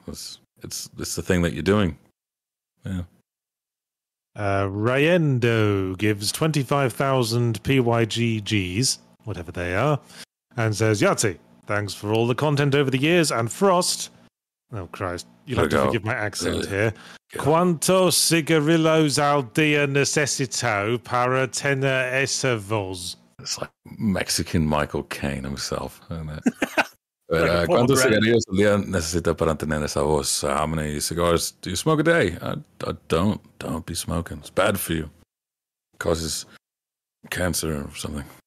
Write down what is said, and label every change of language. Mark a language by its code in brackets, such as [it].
[en] It's the thing that you're doing. Yeah. Ryendo gives 25,000 PYGGs, whatever they are, and says, Yahtzee, thanks for all the content over the years, and Frost... Oh, Christ. You'll have to forgive my accent here. [es] Quanto cigarillos al dia necesito para tener ese voz? [en] It's like Mexican Michael Caine himself, isn't it? [es] But, Quanto cigarillos al dia necesito para tener esa voz? [en] How many cigars do you smoke a day? I don't. Don't be smoking. It's bad for you. Causes cancer or something.